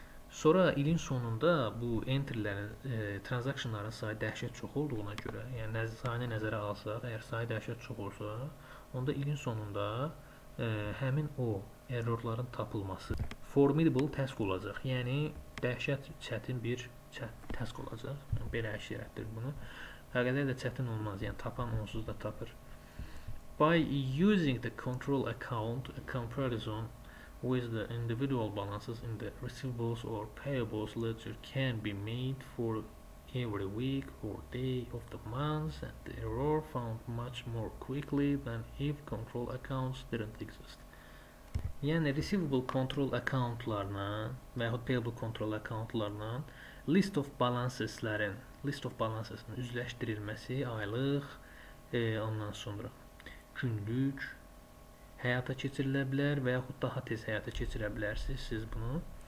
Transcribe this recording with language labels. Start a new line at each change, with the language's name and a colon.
Azerbaijani: sonra ilin sonunda bu entrylərin, transactionların sayı dəhşət çox olduğuna görə, yəni sayını nəzərə alsaq, əgər sayı dəhşət çox olsa, onda ilin sonunda həmin o errorların tapılması
English: formidable task
Azerbaijani: olacaq. Yəni dəhşət çətin bir task olacaq. Belə əşirətdir bunu. Həqiqətən də çətin olmaz. Yəni tapan onsuz da tapır.
English: By using the control account, a comparison with the individual balances in the receivables or payables ledger can be made for every week or day of the month, and the error found much more quickly than if control accounts didn't exist.
Azerbaijani: Yəni receivable control accountlarla və yaxud payable control accountlarla list of balanceslərin üzləşdirilməsi aylıq, ondan sonra günlük həyata keçirilə bilər və yaxud daha tez həyata keçirə bilərsiniz siz bunu.